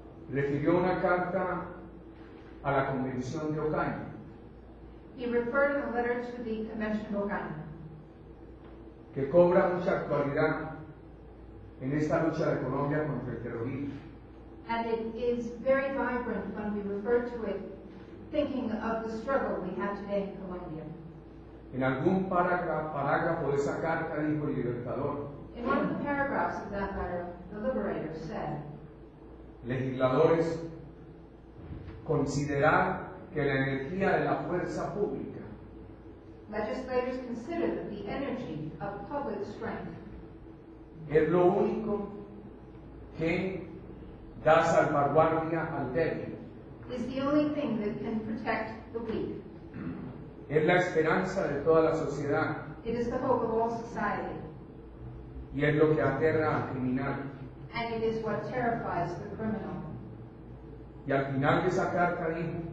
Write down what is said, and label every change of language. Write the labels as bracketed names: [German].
[Spanish] Refirió una carta a la Convención de Ocaña. [English] He referred a letter to the Convention of Ocaña. [Spanish] Que cobra mucha actualidad en esta lucha de Colombia contra el terrorismo. [English] And it is very vibrant when we refer to it, thinking of the struggle we have today in Colombia. [Spanish] En algún parágrafo de esa carta dijo el Libertador. [English] In one of the paragraphs of that letter, the Liberator said. [Spanish] Legisladores, considerar que la energía de la fuerza pública. [English] Legislators, consider that the energy of public strength. [Spanish] Es lo único que da salvaguardia al débil. [English] Is the only thing that can protect the weak. [Spanish] Es la esperanza de toda la sociedad. [English] It is the hope of all society. [Spanish] Y es lo que aterra al criminal. [English] And it is what terrifies the criminal. [Spanish] Y al final de esa carta dijo.